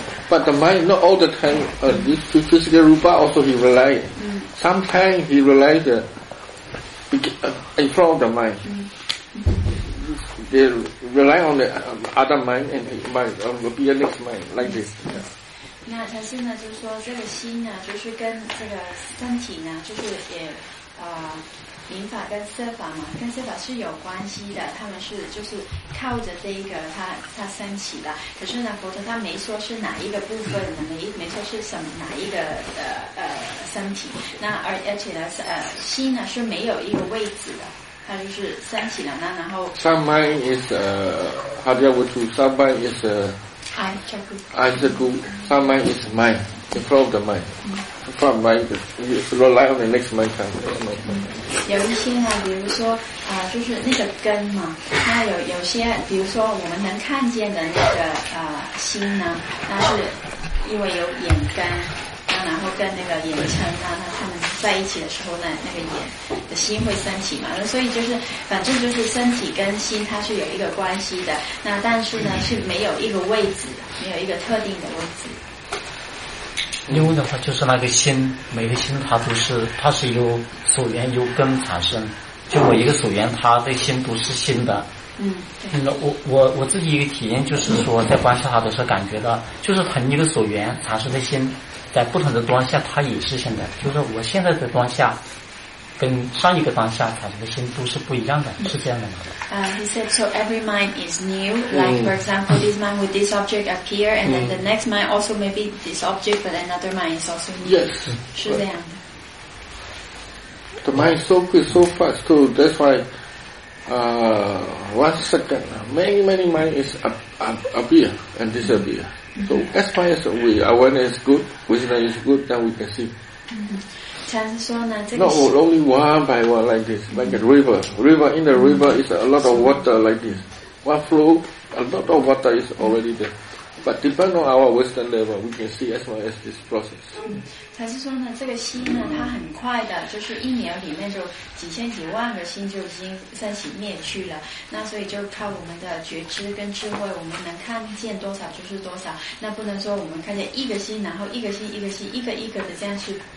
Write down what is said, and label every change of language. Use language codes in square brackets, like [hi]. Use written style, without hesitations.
[en] But the mind, not all the time, this physical rupa also he relies. Sometimes he relies in front of the mind. They rely on the other mind and his mind, on the be a next mind, like this. Yeah. [zh] 那他现在就说这个心呢，就是跟这个身体呢，就是也明法跟色法嘛，跟色法是有关系的，他们是就是靠着这一个它升起的。可是呢，佛陀他没说是哪一个部分的，没说是什么哪一个身体。那而且呢，心呢是没有一个位置的，它就是升起的。那然后 [en] ，some mind is how do you want to? Some mind is some mind is mind in front of the mind. From my rely on the next mind time. [zh] 有一些呢，比如说就是那个根嘛，那有些，比如说我们能看见的那个心呢，那是因为有眼根，然后跟那个眼尘啊，那他们在一起的时候呢，那个眼的心会升起嘛，所以就是反正就是身体跟心它是有一个关系的，那但是呢是没有一个位置，没有一个特定的位置。因为的话就是那个心，每个心它是由所缘由根产生，就每一个所缘它的心都是心的。嗯，那我自己一个体验就是说，在观察它的时候感觉到，就是同一个所缘产生的心，在不同的当下它也是心的，就是我现在的当下跟上一个当下产生的心都是不一样的，是这样的吗？ [en] He said, so every mind is new. Like, for example, this mind with this object appear, and then the next mind also maybe this object, but another mind is also new. Yes. [zh] 是这样的。 [en] The mind is so quick, so fast, too. That's why, one second, many, many mind is appear and disappear. So, as far as we, awareness is good, wisdom is good, then we can see. Not only one by one like this, like a river. River in the river is a lot of water like this. One flow, a lot of water is already there. But depending on our Western level, we can see as well as this process. [zh] 他是说呢，这个心呢，它很快的，就是一秒里面就几千几万个心就已经升起灭去了。那所以就靠我们的觉知跟智慧，我们能看见多少就是多少。那不能说我们看见一个心，然后一个心一个心一个一个的这样去。